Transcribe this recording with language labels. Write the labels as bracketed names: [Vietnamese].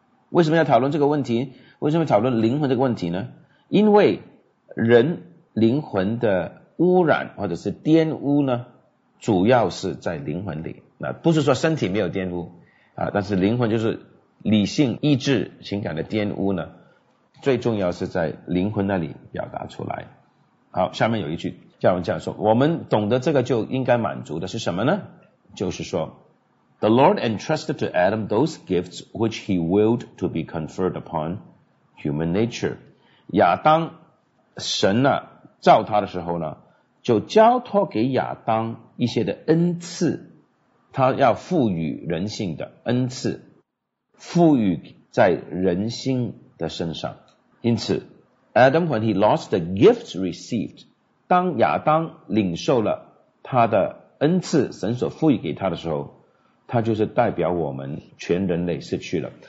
[Chinese] 为什么要讨论这个问题？为什么讨论灵魂这个问题呢？因为人灵魂的污染或者是玷污呢，主要是在灵魂里。那不是说身体没有玷污啊，但是灵魂就是理性意志情感的玷污呢，最重要是在灵魂那里表达出来。好，下面有一句加尔文这样说，我们懂得这个就应该满足的是什么呢？就是说 [English] The Lord entrusted to Adam those gifts which he willed to be conferred upon human nature. [Chinese] 亚当神呢、啊、造他的时候呢，就交托给亚当一些的恩赐，他要赋予人性的恩赐，赋予在人心的身上。因此 [English] Adam when he lost the gifts received, [Chinese] 当亚当领受了他的恩赐，神所赋予给他的时候，他就是代表我们全人类失去了。